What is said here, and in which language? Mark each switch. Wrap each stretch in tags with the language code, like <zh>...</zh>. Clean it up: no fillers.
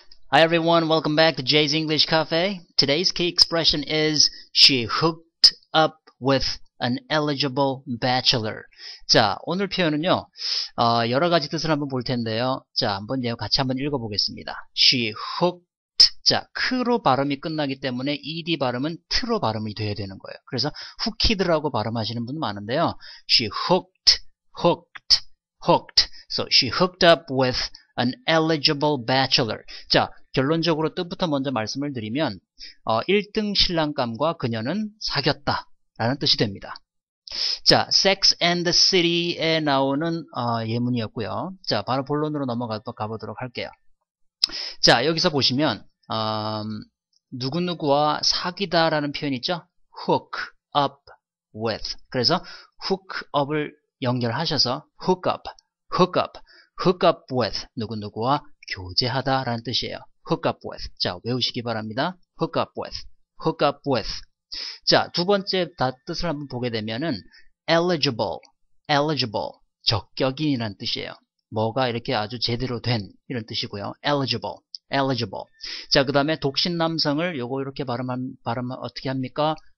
<en>Hi everyone, welcome back to Jay's English Cafe. Today's key expression is she hooked up with an eligible bachelor.</en> <ko>자, 오늘 표현은요, 여러 가지 뜻을 한번 볼 텐데요. 자, 한번 내용 같이 한번 읽어보겠습니다.</ko> <en>She hooked.</en> <ko>자, 크로 발음이 끝나기 때문에 ED 발음은 트로 발음이 돼야 되는 거예요. 그래서 hooked라고 발음하시는 분 많은데요.</ko> <en>She hooked, hooked, hooked. So she hooked up with an eligible bachelor.</en> <ko>자, 결론적으로 뜻부터 먼저 말씀을 드리면, 1등 신랑감과 그녀는 사귀었다. 라는 뜻이 됩니다. 자, Sex and the City에 나오는 예문이었고요. 자, 바로 본론으로 가보도록 할게요. 자, 여기서 보시면 누구누구와 사귀다라는 표현 있죠?</ko> <en>Hook up with.</en> <ko>그래서 hook up을 연결하셔서 hook up, hook up, hook up with 누구누구와 교제하다라는 뜻이에요.</ko> <en>Hook up with.</en> <ko>자, 외우시기 바랍니다.</ko> <en>Hook up with, hook up with.</en> <ko>자, 두 번째 뜻을 한번 보게 되면은 eligible, eligible, 적격인이란 뜻이에요. 뭐가 이렇게 아주 제대로 된 이런 뜻이고요.</ko> <en>eligible, eligible.</en> <ko>자, 그 다음에 독신 남성을 요거 이렇게 발음 어떻게 합니까?</ko>